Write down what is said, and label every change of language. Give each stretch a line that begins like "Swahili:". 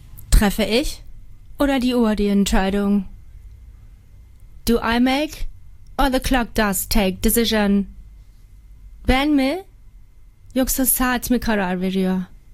German: Treffe ich oder die Uhr die Entscheidung?
English: Do I make or the clock does take decision?
Turkish: Ben mi yoksa saat mi karar veriyor?